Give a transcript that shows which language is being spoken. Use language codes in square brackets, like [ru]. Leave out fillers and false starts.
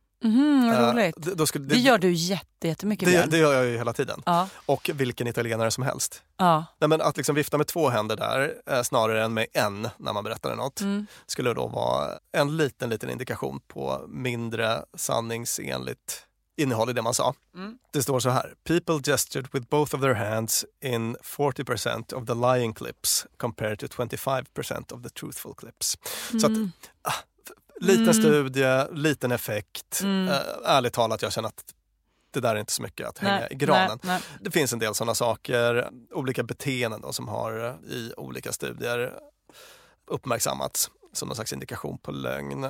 [sv] Roligt. Det gör du jättemycket väl. Det gör jag ju hela tiden. Och vilken italienare som helst. Nej, men att liksom vifta med två händer där snarare än med en när man berättar något skulle då vara en liten indikation på mindre sanningsenligt innehåll i det man sa. Det står så här: [en] people gestured with both of their hands in 40% of the lying clips compared to 25% of the truthful clips. [sv] Så att liten studie, liten effekt. Ärligt talat, jag känner att det där är inte så mycket att hänga i granen. Nej. Det finns en del sådana saker, olika beteenden då, som har i olika studier uppmärksammats som någon slags indikation på lögn.